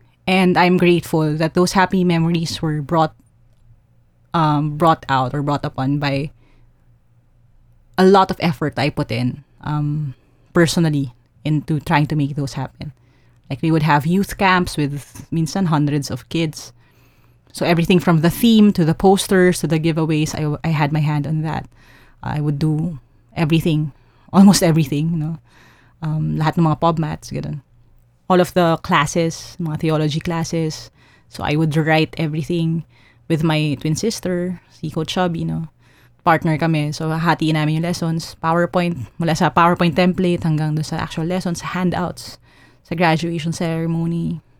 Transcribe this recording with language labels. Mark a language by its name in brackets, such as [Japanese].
[English] And I'm grateful that those happy memories were brought out or brought upon by a lot of effort I put in personally into trying to make those happen. Like, we would have youth camps with minsan hundreds of kids. So everything from the theme to the posters to the giveaways, I had my hand on that. I would do everything, almost everything, you know. [Filipino] Lahat ng mga pub mats, ganun. [English] All of the classes, mga theology classes. So I would write everything with my twin sister, si Coach Chubby, you know. [Filipino] Partner kami. So hatiin namin yung lessons. PowerPoint, mula sa PowerPoint template hanggang doon sa actual lessons, handouts, sa graduation ceremony.